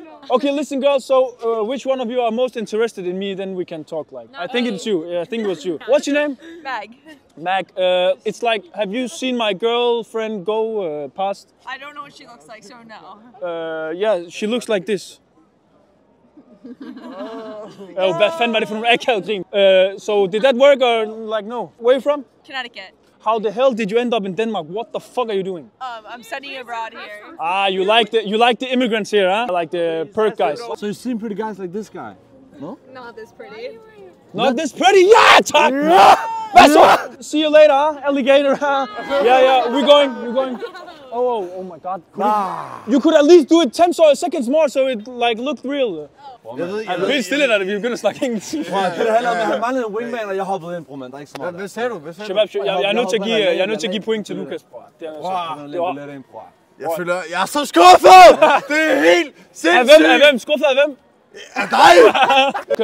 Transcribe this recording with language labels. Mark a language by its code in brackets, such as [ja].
[en] Okay, listen, girls, so which one of you are most interested in me, then we can talk, like. No, I think it's you. Yeah, I think it was you. What's your name? Meg. Meg, it's like, have you seen my girlfriend go past? I don't know what she looks like, so no. Yeah, she looks like this. [da] Oh, hvad fanden var det for nogle akavet grin? [en] So, did that work or, like, no? Where are you from? Connecticut. How the hell did you end up in Denmark? What the fuck are you doing? I'm studying abroad here. Ah, you like the immigrants here, huh? Like the perk guys. So you've seen pretty guys like this guy, no? Not this pretty. Not this pretty? Yeah, talk! No! That's what! See you later, huh? Alligator, huh? Yeah, we're going. Oh my god. You could at least do it 10 seconds more so it like looked real. [da] Jeg ved, er du helt stille, eller vi er begyndt at snakke engelsk? Det handler om, at han manglede en wingman, og jeg hoppede ind, bror, mand. Der er ikke så meget. Hvad sagde du? Jeg er nødt til at give point til Lukas, bror. Jeg føler, jeg er så skuffet! Det er helt sindssygt! Er hvem? Skuffet af hvem? Af dig!